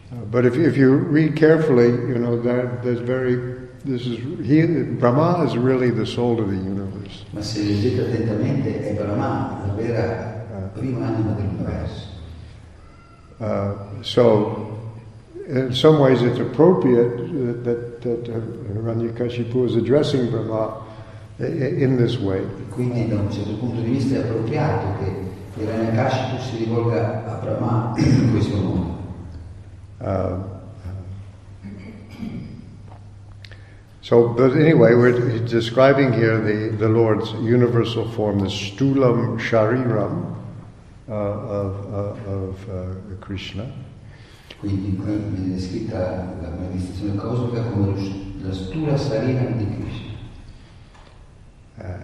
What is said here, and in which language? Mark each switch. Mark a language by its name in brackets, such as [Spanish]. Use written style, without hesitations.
[English] But if you read carefully, you know that Brahma is really the soul of the universe. [Italian] Ma se leggete attentamente, è Brahma la vera prima anima dell'universo. [English] So, in some ways, it's appropriate that that Hiranyakashipu is addressing Brahma in this way. [Italian] Quindi da un certo punto di vista è appropriato che Hiranyakashipu si rivolga a Brahma in questo modo. [English] So, but anyway, we're describing here the Lord's universal form, the stulam shariram of Krishna. [Italian] Quindi qui viene descritta la manifestazione cosmica come la stula sarina di Krishna.